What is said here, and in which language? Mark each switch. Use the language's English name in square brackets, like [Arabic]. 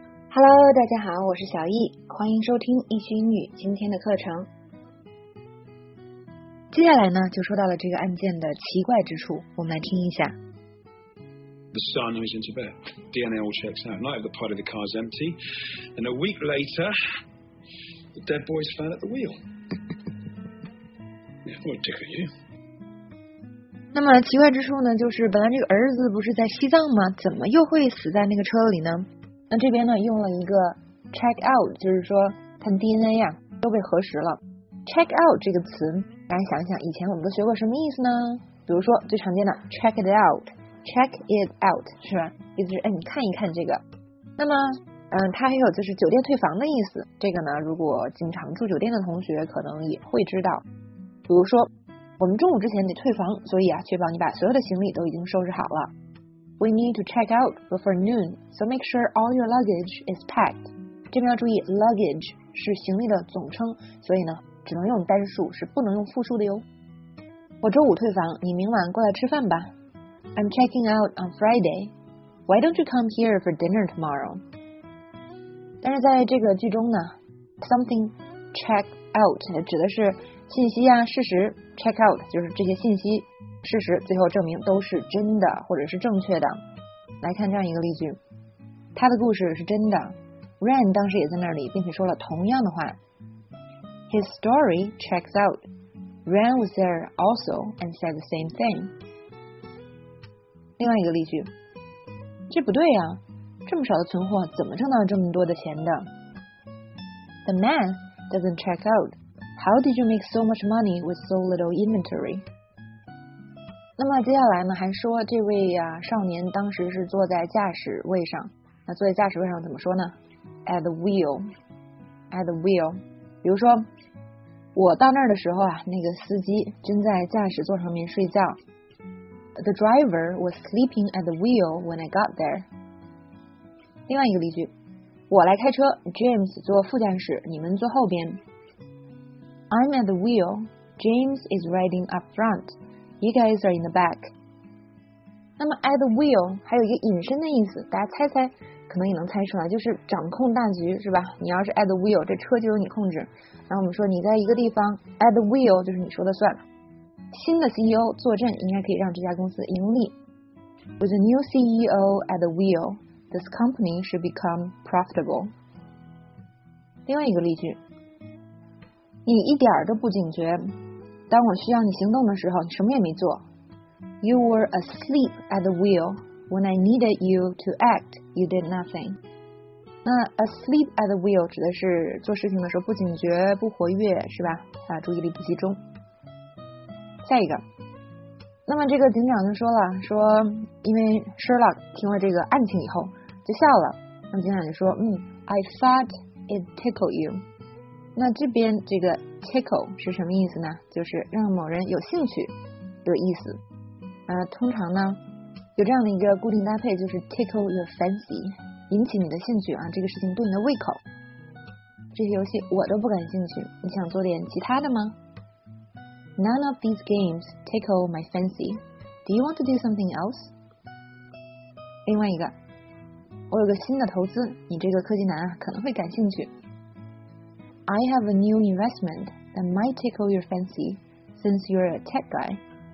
[Chinese] Hello， 大家好，我是小易，欢迎收听易学英语今天的课程。接下来呢，就说到了这个案件的奇怪之处，我们来听一下。 [English] The son who's in Tibet, DNA all checks out. Night, the part of the car is empty, and a week later, the dead boy's found at the wheel. Yeah, what tickle you? [Chinese] 那么奇怪之处呢，就是本来这个儿子不是在西藏吗？怎么又会死在那个车里呢？那这边呢用了一个 check out， 就是说他的 DNA 呀、都被核实了。 check out 这个词，大家想想以前我们都学过什么意思呢？比如说最常见的 check it out， check it out 是吧？意思是哎，你看一看这个。那么它还有就是酒店退房的意思，这个呢如果经常住酒店的同学可能也会知道，比如说我们中午之前得退房，所以啊，确保你把所有的行李都已经收拾好了。 [English] We need to check out before noon, so make sure all your luggage is packed. [Chinese] 这边要注意 ，luggage 是行李的总称，所以呢，只能用单数，是不能用复数的哟。我周五退房，你明晚过来吃饭吧。 [English] I'm checking out on Friday. Why don't you come here for dinner tomorrow? [Chinese] 但是在这个剧中呢 ，something check out 指的是信息啊，事实。 check out 就是这些信息事实最后证明都是真的或者是正确的。来看这样一个例句，他的故事是真的， Ren 当时也在那里并且说了同样的话。 [English] His story checks out. Ren was there also and said the same thing. [Chinese] 另外一个例句，这不对啊，这么少的存货怎么挣到这么多的钱的？ [English] The math doesn't check outHow did you make so much money with so little inventory? [Chinese] 那么接下来呢，还说这位少年当时是坐在驾驶位上。那坐在驾驶位上怎么说呢？ [English] At the wheel. At the wheel. [Chinese] 比如说，我到那儿的时候啊，那个司机正在驾驶座上面睡觉。 [English] The driver was sleeping at the wheel when I got there. [Chinese] 另外一个例句，我来开车 ，James 坐副驾驶，你们坐后边。 [English] I'm at the wheel. James is riding up front. You guys are in the back. [Chinese] 那么 at the wheel 还有一个引申的意思，大家猜猜，可能也能猜出来，就是掌控大局，是吧？你要是 at the wheel， 这车就由你控制。然后我们说你在一个地方 at the wheel， 就是你说的算。新的 CEO 坐镇，应该可以让这家公司盈利。 [English] With a new CEO at the wheel, this company should become profitable. [Chinese] 另外一个例句。你一点都不警觉，当我需要你行动的时候，你什么也没做。 [English] You were asleep at the wheel. When I needed you to act, you did nothing. [Chinese] 那 asleep at the wheel 指的是做事情的时候不警觉、不活跃，是吧？啊，注意力不集中。下一个，那么这个警长就说了，说因为 Sherlock 听了这个案情以后就笑了。那么警长就说， [English] I thought it tickled you. [Chinese] 那这边这个 tickle 是什么意思呢？就是让某人有兴趣的意思。通常呢有这样的一个固定搭配，就是 tickle your fancy， 引起你的兴趣啊，这个事情对你的胃口。这些游戏我都不感兴趣，你想做点其他的吗？ [English] None of these games tickle my fancy. Do you want to do something else? [Chinese] 另外一个，我有个新的投资，你这个科技男啊可能会感兴趣。 [English] I have a new investment that might tickle your fancy, since you're a tech guy.